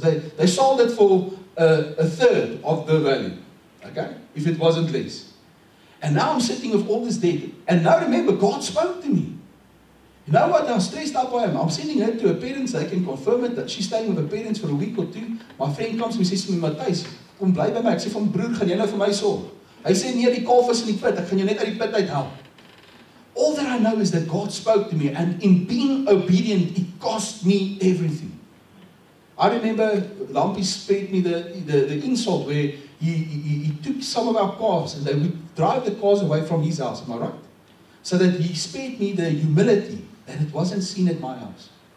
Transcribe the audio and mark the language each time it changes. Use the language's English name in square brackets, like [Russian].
[English] They sold it for a third of the value. Okay? If it wasn't less. And now I'm sitting with all this debt. And now remember, God spoke to me. You know what? How stressed up I am. I'm sending her to her parents. They can confirm it that she's staying with her parents for a week or two. My friend comes and says to me, Matthijs, [Afrikaans] kom bly by my. Ek sê van broer, gaan jy nou vir my sorg? Hy sê, nee, die kalf is in die pit. Ek gaan jou net uit die pit uit help. [English] All that I know is that God spoke to me, and in being obedient, it cost me everything. I remember Lampy spared me the insult where he took some of our calves and they would drive the calves away from his house, am I right? So that he spared me the humility that it wasn't seen at my house.